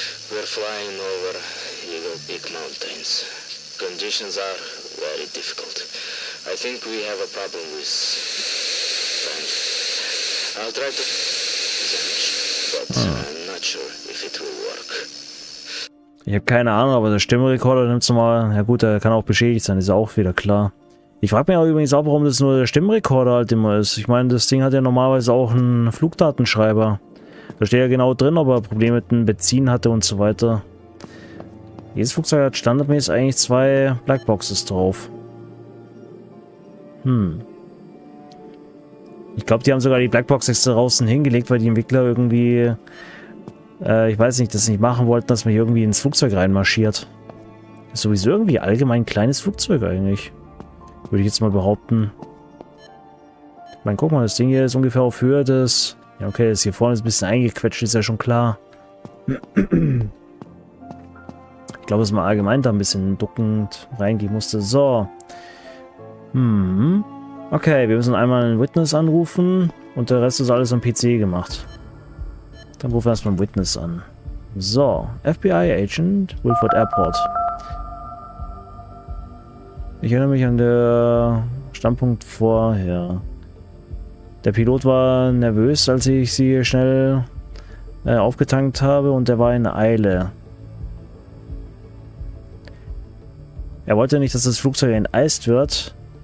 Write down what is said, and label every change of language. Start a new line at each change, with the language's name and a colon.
English: We're flying over Eagle Peak Mountains. Conditions are very difficult. I think we have a problem with time. I'll try to damage, but I'm not sure if it will work.
German: Ich habe keine Ahnung, aber der Stimmrekorder nimmt es mal. Ja gut, der kann auch beschädigt sein, ist auch wieder klar. Ich frage mich auch übrigens auch, warum das nur der Stimmrekorder halt immer ist. Ich meine, das Ding hat ja normalerweise auch einen Flugdatenschreiber. Da steht ja genau drin, ob er Probleme mit dem Benzin hatte und so weiter. Jedes Flugzeug hat standardmäßig eigentlich zwei Blackboxes drauf. Ich glaube, die haben sogar die Blackbox extra draußen hingelegt, weil die Entwickler irgendwie... ich weiß nicht, das nicht machen wollten, dass man hier irgendwie ins Flugzeug reinmarschiert. Ist sowieso irgendwie allgemein ein kleines Flugzeug eigentlich. Würde ich jetzt mal behaupten. Ich meine, guck mal, das Ding hier ist ungefähr auf Höhe des... Ja, okay, das hier vorne ist ein bisschen eingequetscht, ist ja schon klar. Ich glaube, dass man allgemein da ein bisschen duckend reingehen musste. So. Okay, wir müssen einmal einen Witness anrufen und der Rest ist alles am PC gemacht. Dann rufen wir erstmal einen Witness an. So, FBI Agent, Wilford Airport. Ich erinnere mich an den Standpunkt vorher. Der Pilot war nervös, als ich sie schnell aufgetankt habe und er war in Eile. Er wollte nicht, dass das Flugzeug enteist wird.